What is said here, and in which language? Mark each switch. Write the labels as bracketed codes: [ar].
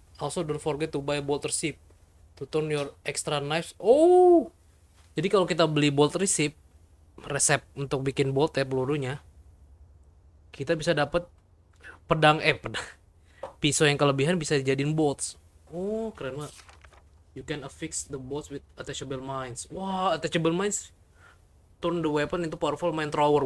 [en] Also don't forget to buy bolt receipt to turn your extra knives. Oh. [id] Jadi kalau kita beli bolt receipt, resep untuk bikin bolt ya pelurunya, kita bisa dapat pedang pisau yang kelebihan bisa dijadiin bolts. Oh, keren banget. [en] You can affix the bolts with attachable mines. Wah, attachable mines turn the weapon into powerful mine thrower.